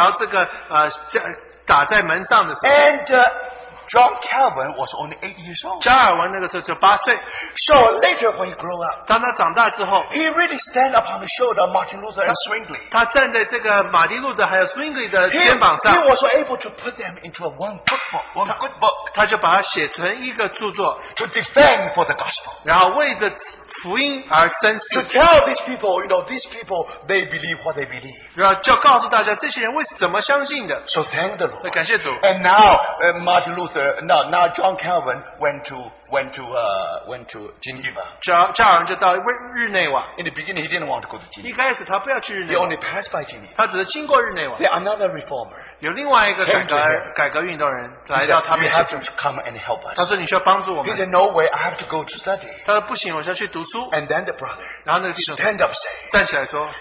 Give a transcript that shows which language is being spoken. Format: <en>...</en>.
<zh>所以当这个马丁路德把这个他95条这个打在门上的时候,</zh> <en>and John Calvin was only 8 years old.</en> <zh>加尔文那个时候就八岁.</zh> <en>So later when he grew up,</en> <zh>当他长大之后,</zh> <en>he really stand upon the shoulder of Martin Luther and Zwingli.</en> <zh>他站在这个马丁路德还有Zwingli的肩膀上.</zh> <en>He was able to put them into a one book, one good book.</en> <zh>他就把它写成一个著作,</zh> <en>to defend for the gospel.</en> <zh>然后为着福音而生死,</zh> <en>to tell these people, you know, these people, they believe what they believe.</en> <zh>然后就告诉大家这些人为什么相信的.</zh> <en>So thank the Lord.</en> <zh>感谢主.</zh> <en>And now Martin Luther, now John Calvin went to Geneva.</en> <zh>加尔文就到日内瓦.</zh> <en>In the beginning, he didn't want to go to Geneva.</en> <zh>一开始他不要去日内瓦.</zh> <en>He only passed by Geneva.</en> <zh>他只是经过日内瓦.</zh> <en>There another reformer.</en> <zh>有另外一个改革运动人来到他们,</zh> <en>you have to come and help us.</en> <zh>他说你需要帮助我们.</zh> <en>He said, no way, I have to go to study.</en> <zh>他说不行, 我需要去读书.</zh> <en>And then the brother,</en> <zh>然后那个弟兄,</zh> <en>stand up, say,</en> <zh>站起来说,</zh>